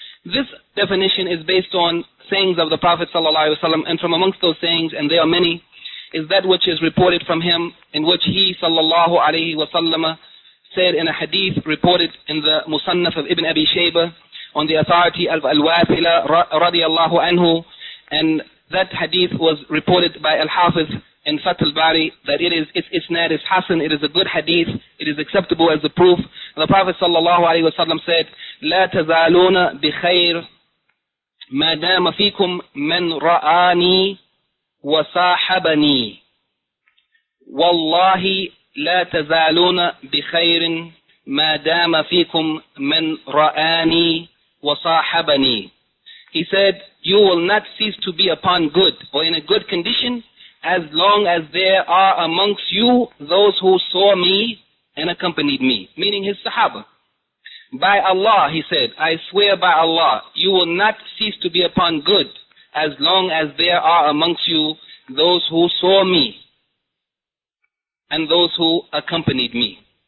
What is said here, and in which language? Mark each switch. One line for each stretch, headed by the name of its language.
English: This definition is based on sayings of the Prophet ﷺ, and from amongst those sayings, and there are many, is that which is reported from him, in which he sallallahu alayhi wa sallam said in a hadith reported in the Musannaf of Ibn Abi Shaybah on the authority of Al-Wathila radiallahu anhu, and that hadith was reported by Al-Hafiz in Fath al-Bari, that it is isnad is hasan, it is a good hadith, it is acceptable as the proof. The Prophet sallallahu alayhi wa sallam said,
Arabic: لا تزالون بخير ما دام فيكم من رآني وصاحبني والله لا تزالون بخير ما دام فيكم من رآني وصاحبني.
English: He said, you will not cease to be upon good or in a good condition as long as there are amongst you those who saw me and accompanied me, meaning his Sahaba. By Allah, he said, I swear by Allah, you will not cease to be upon good as long as there are amongst you those who saw me and those who accompanied me.